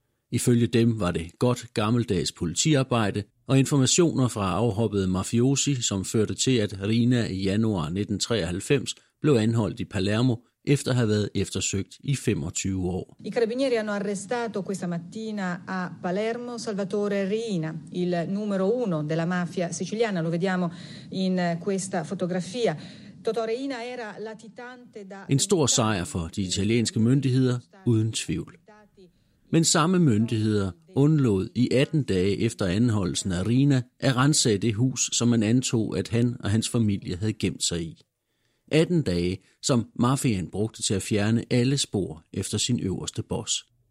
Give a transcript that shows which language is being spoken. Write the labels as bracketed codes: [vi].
[da] Ifølge dem var det godt gammeldags politiarbejde og informationer fra afhoppede mafiosi, som førte til, at Rina i januar 1993 blev anholdt i Palermo, efter at have været eftersøgt i 25 år. [it] I carabinieri hanno arrestato questa mattina a Palermo Salvatore Rina, il numero uno della mafia siciliana. Lo vediamo in questa fotografia. Totò Rina era latitante da... [da] En stor sejr for de italienske myndigheder, uden tvivl. Men samme myndigheder undlod i 18 dage efter anholdelsen af Rina at ransage det hus, som man antog, at han og hans familie havde gemt sig i. 18 dage, som mafiaen brugte til at fjerne alle spor efter sin øverste boss.